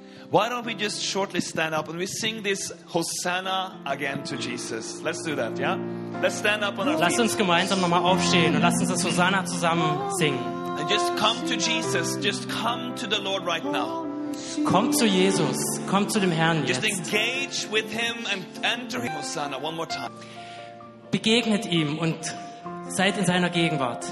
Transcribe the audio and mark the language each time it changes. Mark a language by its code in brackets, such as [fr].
[en] Why don't we just shortly stand up and we sing this Hosanna again to Jesus? Let's do that, yeah? Let's stand up on our feet. [de] Lass uns gemeinsam nochmal aufstehen und lass uns das Hosanna zusammen singen. [en] And just come to Jesus. Just come to the Lord right now. [de] Komm zu Jesus. Komm zu dem Herrn jetzt. [en] Just engage with him and enter him. Hosanna, one more time. [de] Begegnet ihm und seid in seiner Gegenwart.